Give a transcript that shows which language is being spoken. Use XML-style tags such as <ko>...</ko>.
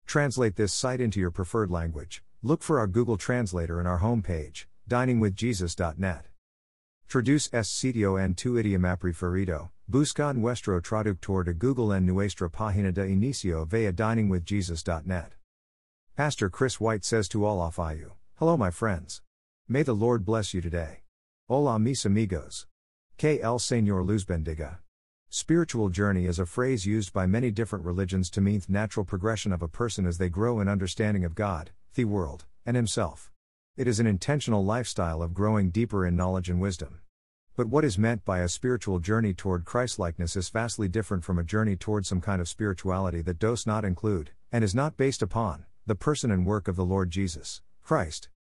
<en>Translate this site into your preferred language. Look for our Google Translator in our homepage, diningwithjesus.net.</en> <es>Traduce este sitio en tu idioma preferido. Busca nuestro traductor de Google en nuestra página de inicio via diningwithjesus.net.</es> <en>Pastor Chris White says to all of you, hello my friends. May the Lord bless you today.</en> <es>Hola mis amigos. Que el Señor los bendiga.</es> <en>Spiritual journey is a phrase used by many different religions to mean the natural progression of a person as they grow in understanding of God, the world, and himself. It is an intentional lifestyle of growing deeper in knowledge and wisdom. But what is meant by a spiritual journey toward Christlikeness is vastly different from a journey toward some kind of spirituality that does not include, and is not based upon, the person and work of the Lord Jesus Christ.</en>